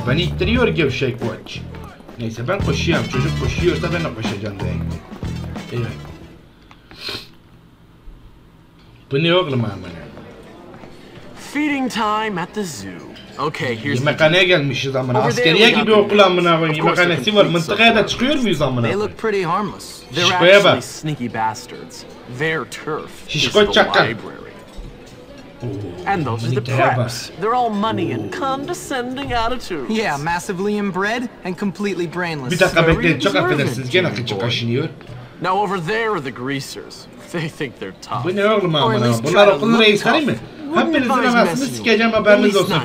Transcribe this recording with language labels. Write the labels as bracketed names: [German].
[Turkish] Beni ittiriyor gevşek koç. Neyse ben koşuyorum. Çocuk koşuyorsa ben de koşacağım da. Evet. Bu ne oğlum amına? [English] Feeding time at the zoo. Okay, here's [Turkish] yemekhaneye gelmişiz amına. Askeriye gibi okul amına koyayım. Yemekhanesi var. Mıntıkaya da çıkıyor muyuz amına? [English] They look pretty harmless. They're actually sneaky bastards. Their turf. [Turkish] Şişko çakal. [English] And those are the preps. They're all money and condescending attitudes. Yeah, massively inbred and completely brainless. [Turkish] Bir dakika bekleyin. Çok affedersiniz. Gene kıçı kaşınıyor. [English] Now over there are the greasers. They think they're tough. [Turkish] Bu ne oğlum amına? Bunlar okulun reisleri mi? Hepinizin arasını sikeceğim haberiniz olsun.